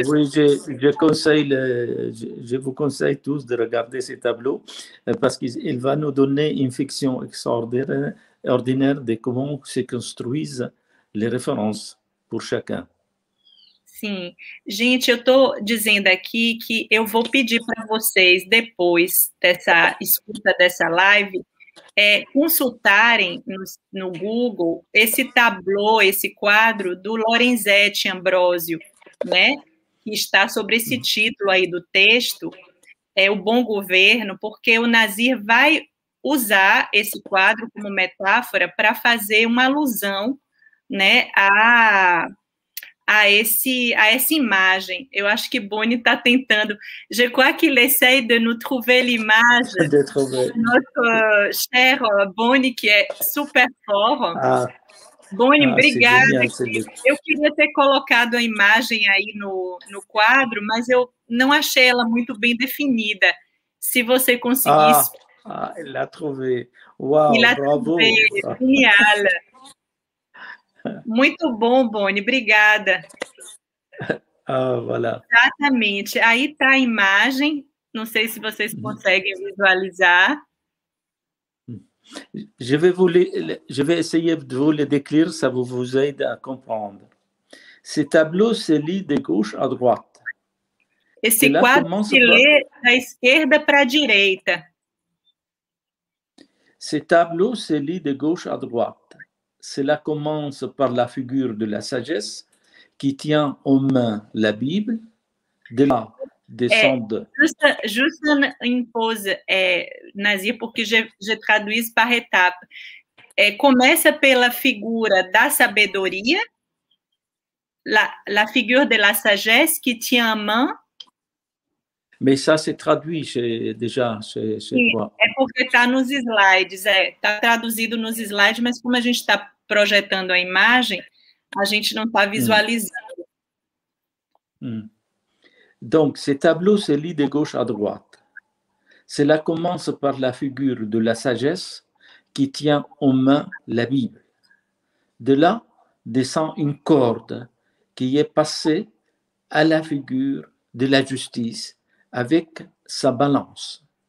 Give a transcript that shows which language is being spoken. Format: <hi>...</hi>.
<fr>Oui, je vous conseille tous de regarder ces tableaux parce qu'il va nous donner une fiction extraordinaire ordinaire de comment se construisent les références pour chacun.</fr> <pt>Sim, gente, eu estou dizendo aqui que eu vou pedir para vocês, depois dessa escuta dessa live, consultarem no Google esse tableau, esse quadro do Lorenzetti Ambrosio, né? Que está sobre esse título aí do texto, O Bom Governo, porque o Nazir vai usar esse quadro como metáfora para fazer uma alusão, né, à essa imagem. Eu acho que Boni está tentando.</pt> <fr>Je crois qu'il essaye de nous trouver l'image. De trouver. Notre cher Boni,</fr> <pt>que é</pt> <fr>super fort. Ah.</fr> <pt>Boni, obrigada. Eu queria ter colocado a imagem aí no quadro, mas eu não achei ela muito bem definida. Se você conseguisse...</pt> <fr>Ah, il l'a trouvé. Wow, il a bravo. Trouvé. Génial.</fr> <pt>Muito bom, Boni. Obrigada.</pt> <fr>Ah, voilà.</fr> <pt>Exatamente. Aí está a imagem. Não sei se vocês conseguem visualizar.</pt> <fr>Je vais essayer de vous le décrire, ça vous aide à comprendre. Ce tableau se lit de gauche à droite.</fr> <pt>Esse quadro se lê da esquerda para a direita.</pt> <fr>Ce tableau se lit de gauche à droite. Cela commence par la figure de la sagesse qui tient en main la Bible. De là descendent. Juste une pause, Nazir, pour que je traduise par étape. Commence par la figure de la sabedoria, la figure de la sagesse qui tient en main.</fr> <pt>Mas isso se traduz já, porque está nos slides, está traduzido nos slides, mas como a gente está projetando a imagem, a gente não está visualizando.</pt> <fr>Donc, ce tableau se lit de gauche à droite. Cela commence par la figure de la sagesse qui tient en main la Bible. De là descend une corde qui est passée à la figure de la justice, avec sa balance.</fr>